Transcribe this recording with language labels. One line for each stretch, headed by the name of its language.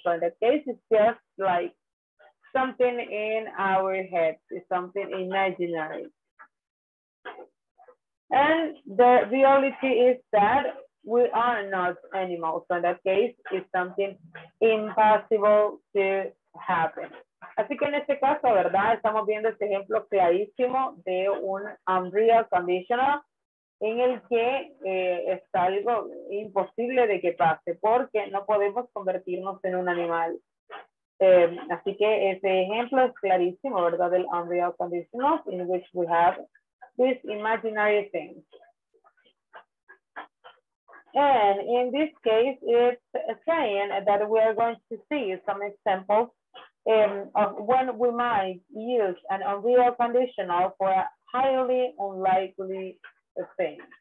English: So in that case, it's just like something in our heads. It's something imaginary. And the reality is that we are not animals. So in that case, it's something impossible to happen.
Spanish: Así que en este caso, ¿verdad? Estamos viendo este ejemplo clarísimo de un unreal conditional en el que es algo imposible de que pase porque no podemos convertirnos en un animal. Así que ese ejemplo es clarísimo, ¿verdad? Del
English: unreal conditional in which we have this imaginary thing. And in this case, it's saying that we are going to see some examples of when we might use an unreal conditional for a highly unlikely thing.